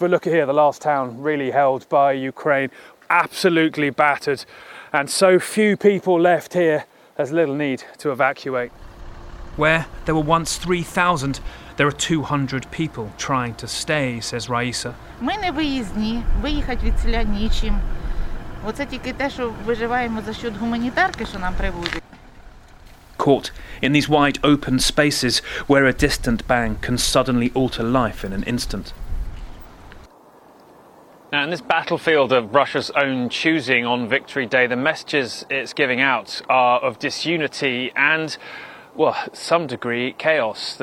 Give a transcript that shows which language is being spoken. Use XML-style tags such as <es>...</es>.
<en>But look at here, the last town really held by Ukraine, absolutely battered. And so few people left here, there's little need to evacuate. Where there were once 3,000, there are 200 people trying to stay, says Raisa.</en> <uk>Ми не виїзні, виїхати звідси нічим. Оце тільки те, що виживаємо за счет гуманітарки, що нам привозять.</uk> <en>caught in these wide open spaces where a distant bang can suddenly alter life in an instant. Now, in this battlefield of Russia's own choosing on Victory Day, the messages it's giving out are of disunity and, well, some degree, chaos.</en>